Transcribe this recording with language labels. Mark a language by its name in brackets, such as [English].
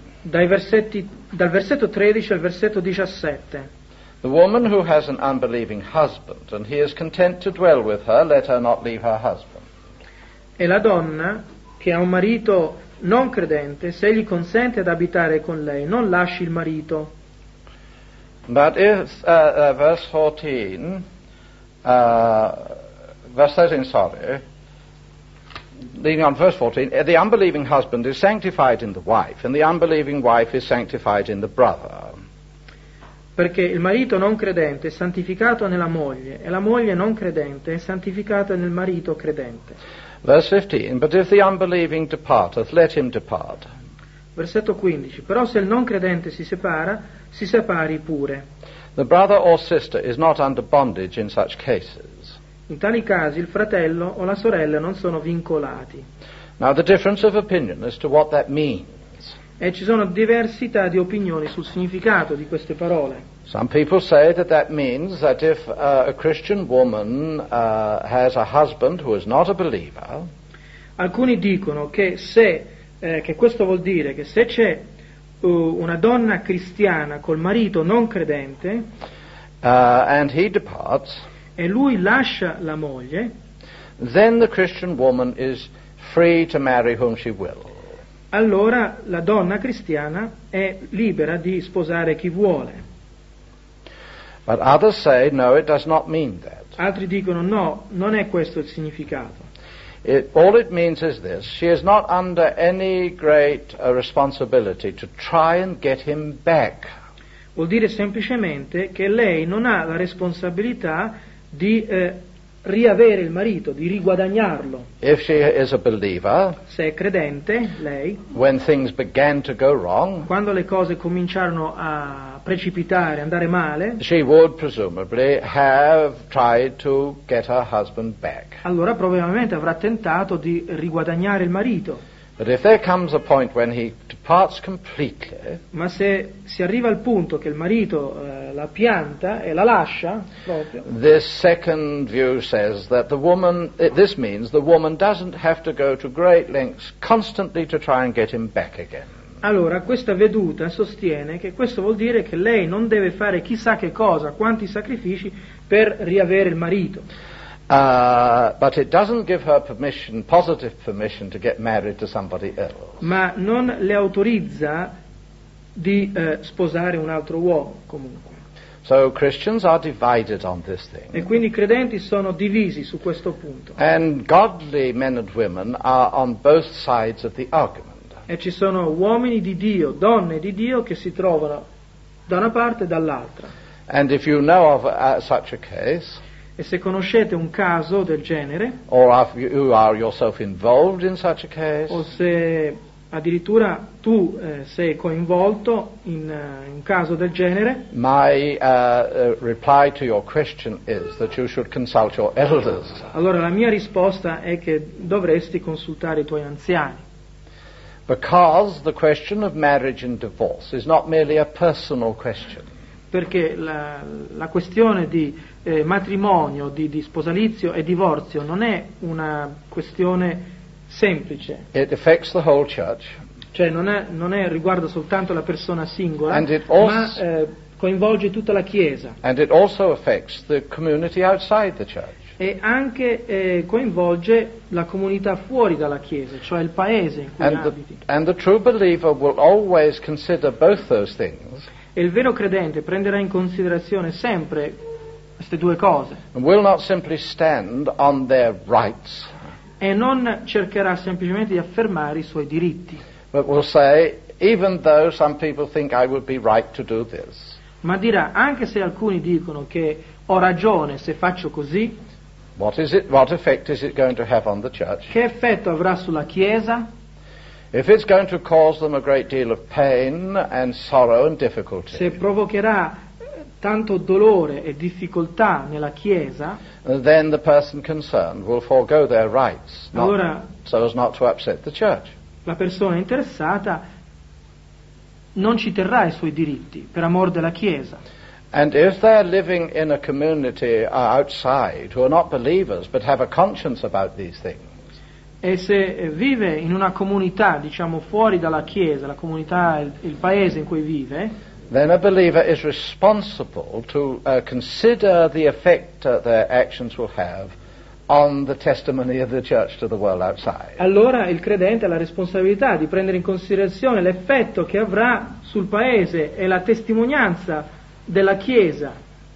[Italian] Dal versetto 13 al versetto 17. [English] The woman who has an unbelieving husband and he is content to dwell with her, let her not leave her husband. [Italian] E la donna che ha un marito non credente, se gli consente ad abitare con lei, non lasci il marito. [English] But if verse 14, the unbelieving husband is sanctified in the wife, and the unbelieving wife is sanctified in the brother. [Italian] Perché il marito non credente è santificato nella moglie, e la moglie non credente è santificata nel marito credente. [English] Verse 15, but if the unbelieving departeth, let him depart. [Italian] Versetto 15, però se il non credente si separa, si separi pure. [English] The brother or sister is not under bondage in such cases. [Italian] In tali casi il fratello o la sorella non sono vincolati. [English] Now the difference of opinion as to what that means. [Italian] E ci sono diversità di opinioni sul significato di queste parole. [English] Some people say that that means that if a Christian woman has a husband who is not a believer. [Italian] Alcuni dicono che se che questo vuol dire che se c'è una donna cristiana col marito non credente [English] and he departs, [Italian] e lui lascia la moglie, [English] then the Christian woman is free to marry whom she will. [Italian] Allora la donna cristiana è libera di sposare chi vuole. [English] But others say no, it does not mean that. [Italian] Altri dicono no, non è questo il significato. [English] All it means is this: she is not under any great responsibility to try and get him back. [Italian] Vuol dire semplicemente che lei non ha la responsabilità di riavere il marito, di riguadagnarlo. [English] If she is a believer, [Italian] se è credente, lei, [English] when things began to go wrong, [Italian] quando le cose cominciarono a precipitare, andare male, [English] she would presumably have tried to get her husband back. [Italian] Allora probabilmente avrà tentato di riguadagnare il marito. [English] But if there comes a point when he departs completely, [Italian] ma se si arriva al punto che il marito la pianta e la lascia proprio, [English] this second view says that the woman, this means the woman doesn't have to go to great lengths constantly to try and get him back again. [Italian] Allora questa veduta sostiene che questo vuol dire che lei non deve fare chissà che cosa, quanti sacrifici per riavere il marito. [English] But it doesn't give her permission, positive permission, to get married to somebody else. [Italian] Ma non le autorizza di sposare un altro uomo, comunque. [English] So Christians are divided on this thing. [Italian] E quindi i credenti sono divisi su questo punto. [English] And godly men and women are on both sides of the argument. [Italian] E ci sono uomini di Dio, donne di Dio, che si trovano da una parte e dall'altra. [English] And if you know of such a case, [Italian] e se conoscete un caso del genere, [English] or if you are yourself involved in such a case, [Italian] o se addirittura tu sei coinvolto in un caso del genere, [English] my reply to your question is that you should consult your elders. [Italian] Allora la mia risposta è che dovresti consultare i tuoi anziani. [English] Because the question of marriage and divorce is not merely a personal question. [Italian] perché la questione di matrimonio, di sposalizio e divorzio non è una questione semplice. [English] It affects the whole church. [Italian] Cioè non è riguarda soltanto la persona singola, ma coinvolge tutta la Chiesa. [English] And it also affects the community outside the church. [Italian] E anche coinvolge la comunità fuori dalla Chiesa, cioè il paese in cui abiti. [English] And the true believer will always consider both those things. [Italian] E il vero credente prenderà in considerazione sempre queste due cose. [English] And will not simply stand on their rights. [Italian] E non cercherà semplicemente di affermare i suoi diritti. [English] But will say, even though some people think I would be right to do this. [Italian] Ma dirà, anche se alcuni dicono che ho ragione se faccio così. [English] What is it? What effect is it going to have on the church? [Italian] Che effetto avrà sulla Chiesa? [English] If it's going to cause them a great deal of pain and sorrow and difficulty. [Italian] Se provocherà tanto dolore e difficoltà nella Chiesa. [English] Then the person concerned will forego their rights, so as not to upset the church. [Italian] La persona interessata non ci terrà i suoi diritti per amor della Chiesa. [English] And if they are living in a community outside who are not believers but have a conscience about these things. [Italian] E se vive in una comunità, diciamo, fuori dalla chiesa, la comunità, il paese in cui vive, [English] then a believer is responsible to consider the effect that their actions will have on the testimony of the church to the world outside. [Italian] Allora il credente ha la responsabilità di prendere in considerazione l'effetto che avrà sul paese e la testimonianza della Chiesa.